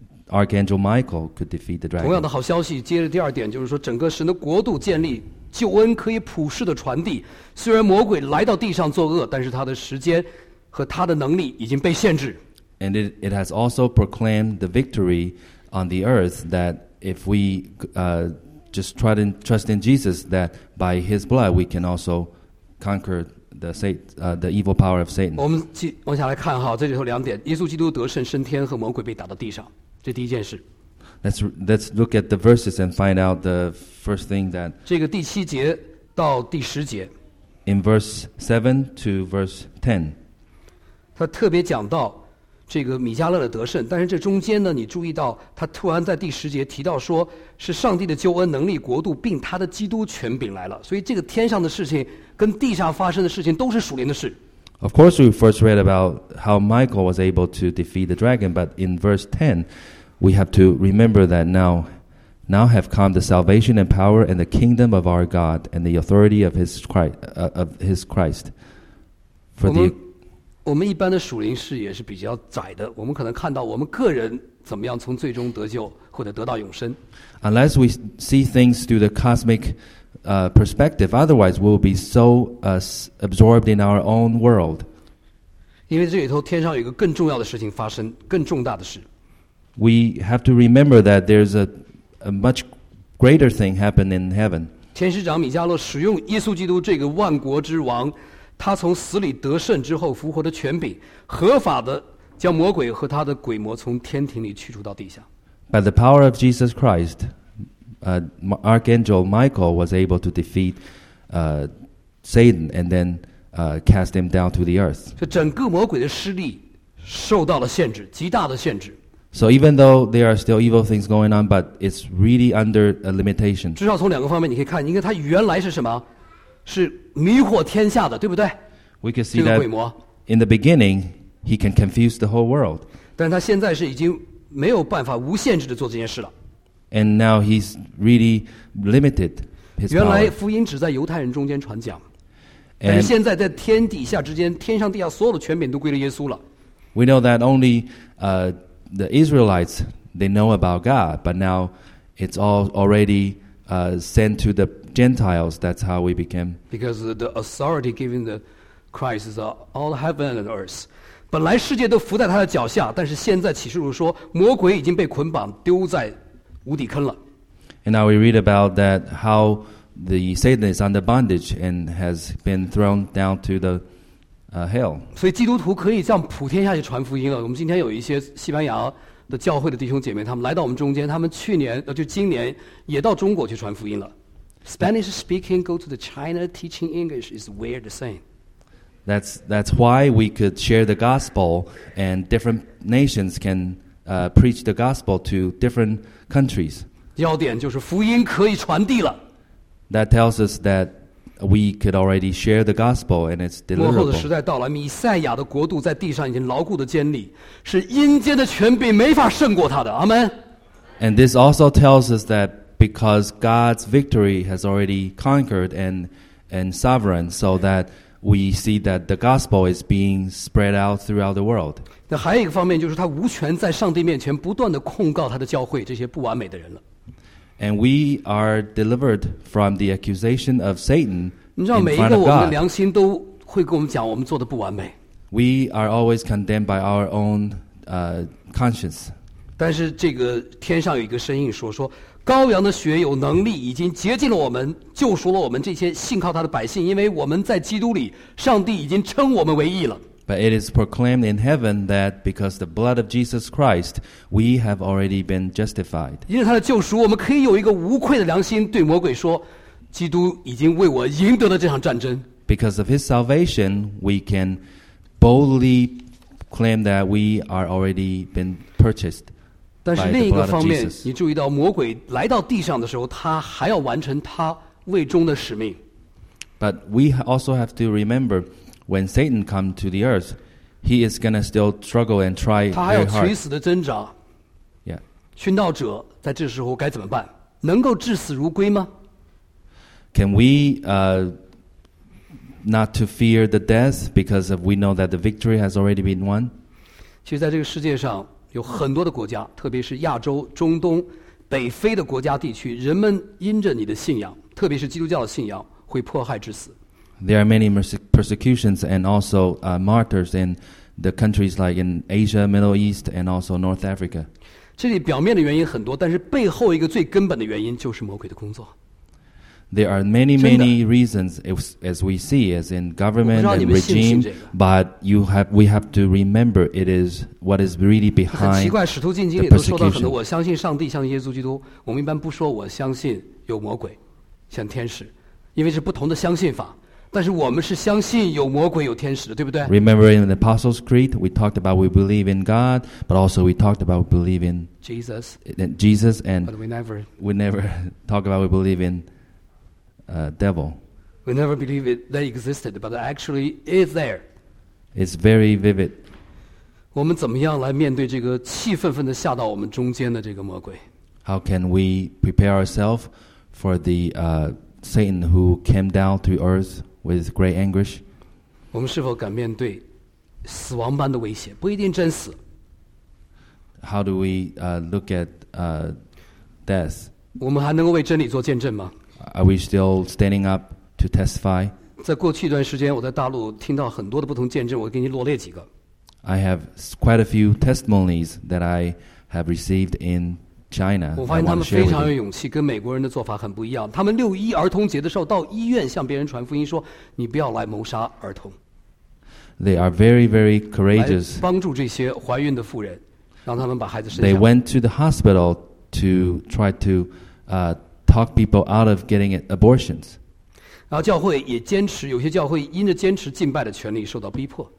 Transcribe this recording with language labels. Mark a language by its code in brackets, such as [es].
[en] Archangel Michael could defeat the dragon. [zh] 同样的好消息，接着第二点就是说，整个神的国度建立，救恩可以普世的传递。虽然魔鬼来到地上作恶，但是他的时间和他的能力已经被限制。 [en] And it has also proclaimed the victory on the earth that if we just trust in Jesus, that by His blood we can also conquer the evil power of Satan. [zh] 我们往下来看哈，这里头两点：耶稣基督得胜升天，和魔鬼被打到地上。这第一件事。 [en] Let's look at the verses and find out the first thing that. [zh] 这个第七节到第十节。 [en] In verse 7 to verse 10, [zh] 他特别讲到这个米迦勒的得胜，但是这中间呢，你注意到他突然在第十节提到说是上帝的救恩、能力、国度，并他的基督权柄来了。所以这个天上的事情跟地上发生的事情都是属灵的事。 [en] Of course, we first read about how Michael was able to defeat the dragon, but in verse 10, we have to remember that now have come the salvation and power and the kingdom of our God and the authority of His Christ. For the [zh] 我们一般的属灵视野是比较窄的，我们可能看到我们个人怎么样从最终得救或者得到永生。 [en] Unless we see things through the cosmic perspective, otherwise we'll be so absorbed in our own world. [zh] 因为这里头天上有一个更重要的事情发生，更重大的事。 [en] We have to remember that there's a much greater thing happened in heaven. [zh] 天使长米迦勒使用耶稣基督这个万国之王，他从死里得胜之后复活的权柄，合法的将魔鬼和他的鬼魔从天庭里驱逐到地下。 [en] By the power of Jesus Christ, Archangel Michael was able to defeat Satan and then cast him down to the earth. [zh] 这整个魔鬼的势力受到了限制，极大的限制。 [en] So even though there are still evil things going on, but it's really under a limitation. [zh] 至少从两个方面你可以看，因为他原来是什么？是迷惑天下的，对不对？ [en] We can see that in the beginning, he can confuse the whole world. [zh] 但他现在是已经没有办法无限制地做这件事了。 [en] And now he's really limited his power. [zh] 原来福音只在犹太人中间传讲，但是现在在天底下之间，天上地下所有的权柄都归了耶稣了。 [en] We know that only the Israelites, they know about God, but now it's all already sent to the Gentiles. That's how we became. Because the authority given to Christ is all heaven and earth. [zh] 本来世界都伏在他的脚下，但是现在启示录说，魔鬼已经被捆绑，丢在无底坑了。 [en] And now we read about that how the Satan is under bondage and has been thrown down to the hell. [zh] 所以基督徒可以向普天下去传福音了。我们今天有一些西班牙的教会的弟兄姐妹，他们来到我们中间，他们去年就今年也到中国去传福音了。 [en] Spanish speaking go to the China teaching English is where the same. That's why we could share the gospel and different nations can preach the gospel to different countries. [zh] 要点就是福音可以传递了。 [en] That tells us that we could already share the gospel and it's deliverable. [zh] 末后的时代到了，弥赛亚的国度在地上已经牢固的建立，是阴间的权柄没法胜过他的。阿们。 [en] And this also tells us that because God's victory has already conquered and sovereign, so that we see that the gospel is being spread out throughout the world. [zh] 那还有一个方面就是他无权在上帝面前不断地控告他的教会这些不完美的人了。 [en] And we are delivered from the accusation of Satan in front of God. [zh] 你知道每一个我们的良心都会跟我们讲我们做的不完美。 [en] We are always condemned by our own conscience. [zh] 但是这个天上有一个声音说羔羊的血有能力，已经洁净了我们，救赎了我们这些信靠他的百姓，因为我们在基督里，上帝已经称我们为义了。 [en] But it is proclaimed in heaven that because the blood of Jesus Christ, we have already been justified. [zh] 因为他的救赎，我们可以有一个无愧的良心对魔鬼说，基督已经为我赢得了这场战争。 [en] Because of his salvation, we can boldly claim that we are already been purchased. [zh] 但是另一个方面，你注意到魔鬼来到地上的时候，他还要完成他未终的使命。 [en] But we also have to remember, when Satan comes to the earth, he is going to still struggle and try very hard. [zh] 他还要垂死的挣扎。 Yeah. 殉道者在这时候该怎么办？能够至死如归吗 [en] ？Can we not to fear the death because of we know that the victory has already been won? [zh] 其实，在这个世界上。有很多的国家，特别是亚洲、中东、北非的国家地区，人们因着你的信仰，特别是基督教的信仰，会迫害致死。 [en] There are many persecutions and also martyrs in the countries like in Asia, Middle East, and also North Africa. [zh] 这里表面的原因很多，但是背后一个最根本的原因就是魔鬼的工作。 [en] There are many, many reasons, as we see, as in government and regime, but we have to remember it is what is really behind the persecution. [zh] 我相信上帝，相信耶稣基督。我们一般不说我相信有魔鬼，像天使，因为是不同的相信法。但是我们是相信有魔鬼、有天使的，对不对 [en] ？Remember in the Apostles' Creed, we talked about we believe in God, but also we talked about we believe in Jesus. Jesus and but we never talk about we believe in. Devil. We never believe it that existed, but it actually is there. It's very vivid. [zh] 我们怎么样来面对这个气愤愤的吓到我们中间的这个魔鬼？ [en] How can we prepare ourselves for the Satan who came down to earth with great anguish? [zh] 我们是否敢面对死亡般的威胁？不一定真死。 [en] How do we look at death? [zh] 我们还能够为真理做见证吗？ [en] Are we still standing up to testify? [zh] 在过去一段时间，我在大陆听到很多的不同见证，我给你罗列几个。 [en] I have quite a few testimonies that I have received in China. [zh] 我发现他们非常有勇气，跟美国人的做法很不一样。他们六一儿童节的时候到医院向别人传福音，说你不要来谋杀儿童。 [en] They are very, very courageous. [zh] 来帮助这些怀孕的妇人，让他们把孩子生下。 [en] They went to the hospital to try to, talk people out of getting abortions. [zh] 然后教会也坚持，有些教会因着坚持敬拜的权利受到逼迫。